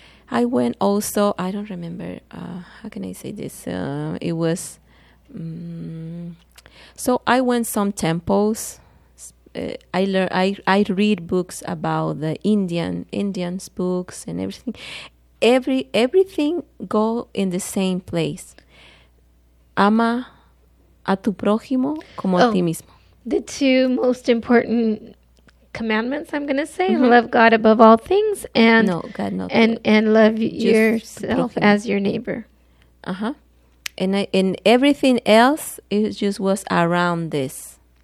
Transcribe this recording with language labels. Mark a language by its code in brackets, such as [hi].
[en] I went also, I don't remember, how can I say this? It was, so I went some temples. I read books about the Indians books and everything. Everything go in the same place. [es] Ama a tu prójimo como a ti mismo. [en] The two most important commandments, I'm going to say, mm-hmm. love God above all things and love yourself as your neighbor. Uh-huh. And everything else, it just was around this.